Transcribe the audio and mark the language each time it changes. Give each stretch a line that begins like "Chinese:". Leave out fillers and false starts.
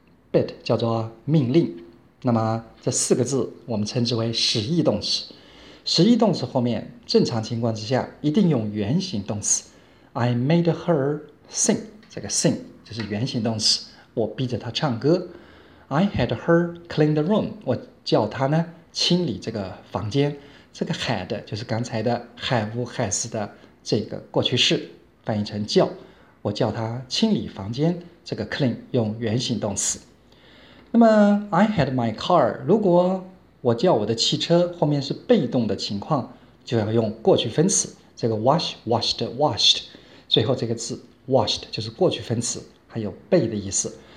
Chinese: Bit 叫做命令，那么这四个字我们称之为使役动词。使役动词后面正常情况之下一定用原形动词。
English: I made her sing，
Chinese: 这个 sing 就是原形动词，我逼着她唱歌。
English: I had her clean the room，
Chinese: 我叫她呢清理这个房间。这个 had 就是刚才的 have has 的这个过去式，翻译成叫，我叫她清理房间。这个 clean 用原形动词。那么
English: I had my car，
Chinese: 如果我叫我的汽车后面是被动的情况，就要用过去分词，这个 wash washed washed， 最后这个字 washed 就是过去分词，还有被的意思。